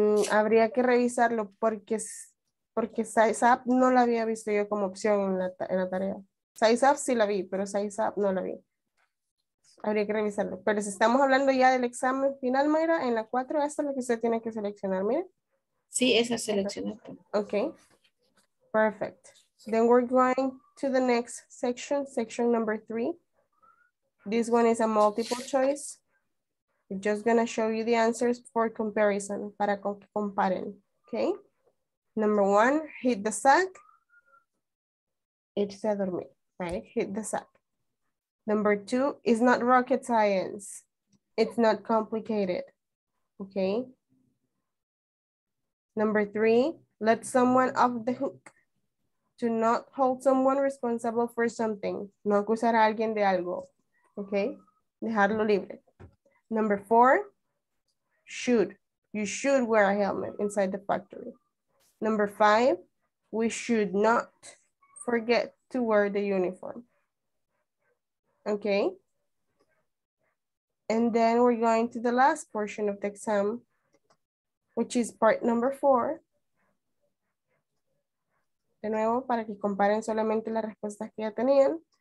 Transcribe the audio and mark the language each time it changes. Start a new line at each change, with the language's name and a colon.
Spanish: Habría que revisarlo porque size up no la había visto yo como opción en la tarea. Size up sí la vi, pero size up no la vi. Habría que revisarlo. Pero si estamos hablando ya del examen final, Mayra, en la 4, esta es la que usted tiene que seleccionar, mire. Sí, esa seleccioné.
English: Ok. Perfect. Then we're going to the next section, section number 3. This one is a multiple choice. I'm just going to show you the answers for comparison,
Spanish: para comparen,
English: okay? Number 1, hit the sack.
Spanish: Irse a dormir,
English: right? Hit the sack. Number 2, it's not rocket science. It's not complicated, okay? Number 3, let someone off the hook. To not hold someone responsible for something.
Spanish: No acusar a alguien de algo. Okay? Dejarlo libre.
English: Number 4. Should. You should wear a helmet inside the factory. Number 5. We should not forget to wear the uniform. Okay? And then we're going to the last portion of the exam, which is part number 4.
Spanish: De nuevo, para que comparen solamente las respuestas que ya tenían.